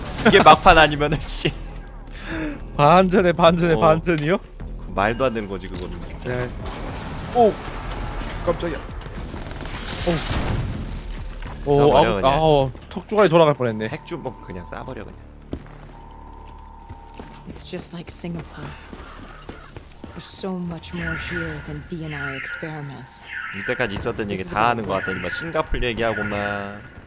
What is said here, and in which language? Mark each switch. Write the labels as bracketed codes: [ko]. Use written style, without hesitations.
[ko] 이게 막판 아니면은 씨. 반전에 어, 반전이요? 말도 안 되는 거지, 그거는 진짜. 네. 오! 깜짝이야. 오! 오, 아우, 턱 주가리 돌아갈 뻔했네. 핵주먹 그냥 싸버려 그냥. [en] It's just like Singapore. There's so much more here than DNI experiments. [ko] 이때까지 있었던 얘기 다 하는 거 같더니 막 싱가폴 얘기하고 막.